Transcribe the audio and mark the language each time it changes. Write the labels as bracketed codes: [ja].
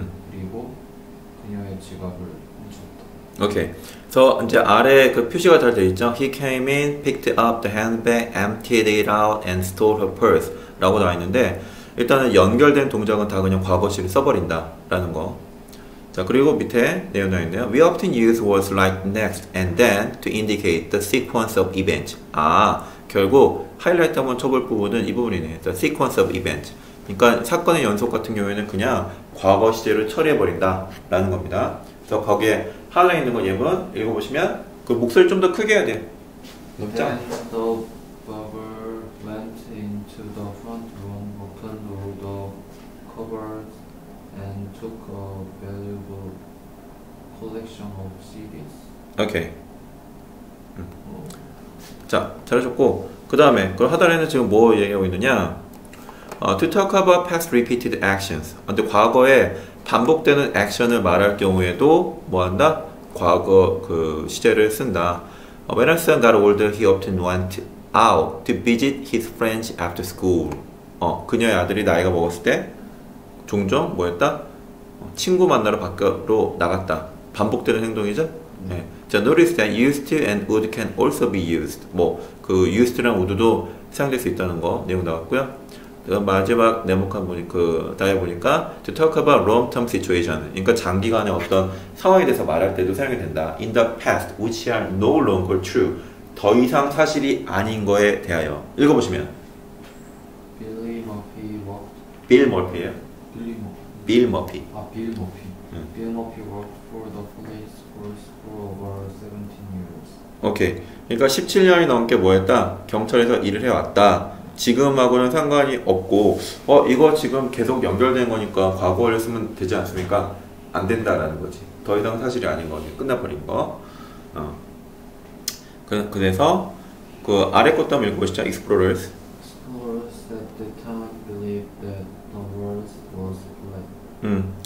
[ko] 그리고 그녀의 지갑을 훔쳤다. 오케이. 그래서 이제 아래 그 표시가 잘 되어 있죠? [en] He came in, picked up the handbag, emptied it out, and stole her purse [ko] 라고 나와 있는데 일단은 연결된 동작은 다 그냥 과거시를 써버린다 라는 거. 자, 그리고 밑에 내용 나와 있네요. [en] We often use words like next and then to indicate the sequence of events. [ko] 아, 결국 하이라이트 한번 쳐볼 부분은 이 부분이네. [en] The sequence of events. [ko] 그러니까 사건의 연속 같은 경우에는 그냥 과거시제를 처리해버린다 라는 겁니다. 그래서 거기에 하나 있는 거 예문 읽어보시면 그 목소리 좀 더 크게 해야 돼. 높자. [en] And the burglar went into the front room, opened all the cupboards, and took a valuable collection of CDs. [ko] 오케이. 자, 잘하셨고 그 다음에 그럼 하단에는 지금 뭐 얘기하고 있느냐? [en] To talk about past repeated actions. [ko] 근데 과거에 반복되는 액션을 말할 경우에도 뭐 한다? 과거 그 시제를 쓴다. [en] When a son got older, he often went out to visit his friends after school. [ko] 그녀의 아들이 나이가 먹었을 때 종종 뭐였다? 친구 만나러 밖으로 나갔다. 반복되는 행동이죠? 네. [en] 자, notice that used to and would can also be used. [ko] 뭐, 그 used랑 would도 사용될 수 있다는 거 내용 나왔고요. 마지막 네모칸 보니까, 그 다에 보니까 [en] to talk about long-term situation. [ko] 그러니까 장기간의 어떤 상황에 대해서 말할 때도 사용이 된다. [en] In the past, which are no longer true. [ko] 더 이상 사실이 아닌 거에 대하여. 읽어보시면. [en] Bill Murphy worked. Bill Murphy. Bill Murphy. 아, Bill Murphy. Bill Murphy worked for the police force for over 17 years. [ko] 오케이. 그러니까 17년이 넘게 뭐 했다? 경찰에서 일을 해왔다. 지금하고는 상관이 없고, 이거 지금 계속 연결된 거니까 과거를 쓰면 되지 않습니까? 안 된다라는 거지. 더 이상 사실이 아닌 거지. 끝나버린 거. 그래서 그 아래 것도 한번 읽어보시죠. [en] Explorers. Explorers at the time believed that the world was flat.